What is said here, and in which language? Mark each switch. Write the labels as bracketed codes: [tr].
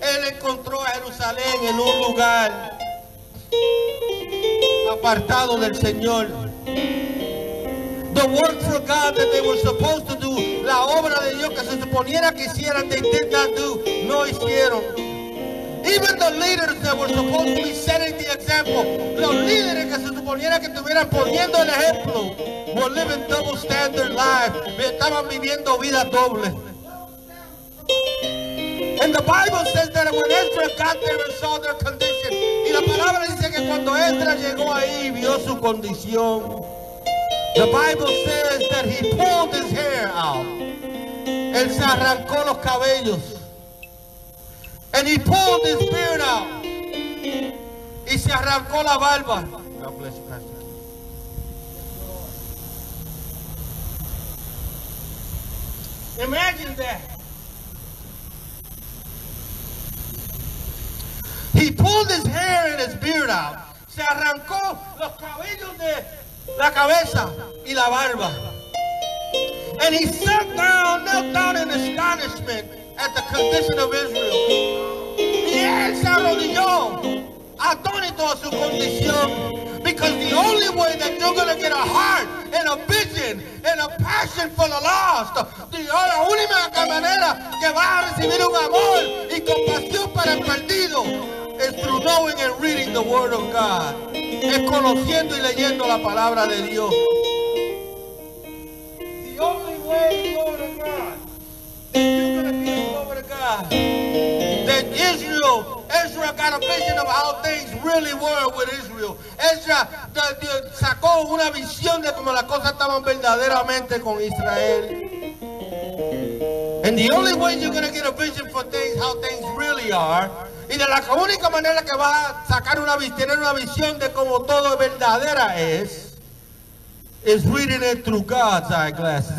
[es] Él encontró a Jerusalén en un lugar apartado del Señor. [en] The work for God that they were supposed to do, [es] la obra de Dios que se suponiera que hicieran, [en] they did not do, [es] no hicieron. [en] Even the leaders that were supposed to be setting the example, [es] los líderes que se suponiera que estuvieran poniendo el ejemplo, [en] were living double standard lives, [es] estaban viviendo vida doble. [en] And the Bible says that when Ezra got there and saw their condition, [es] y la palabra dice que cuando Ezra llegó ahí y vio su condición, [en] the Bible says that he pulled his hair out. [es] Él se arrancó los cabellos. [en] And he pulled his beard out. [es] Y se arrancó la barba. [en] God bless you, Pastor. Imagine that. He pulled his hair and his beard out. [es] Se arrancó los cabellos de la cabeza y la barba. [en] And he sat down, knelt down in astonishment at the condition of Israel. [es] Y él se arrodilló, atónito a su condición. [en] Because the only way that you're going to get a heart and a vision and a passion for the lost, [es] la única manera que vas a recibir un amor y compasión para el perdido es [en] through knowing and reading the Word of God. [es] Es conociendo y leyendo la palabra de Dios. [en] The only way to go to God, you're going to be the glory of God. That Israel got a vision of how things really were with Israel. [es] Israel sacó una visión de cómo las cosas estaban verdaderamente con Israel. [en] And the only way you're going to get a vision for things, how things really are, [es] y de la única manera que vas a sacar una tener una visión de cómo todo verdadera es, [en] is reading it through God's eyeglasses.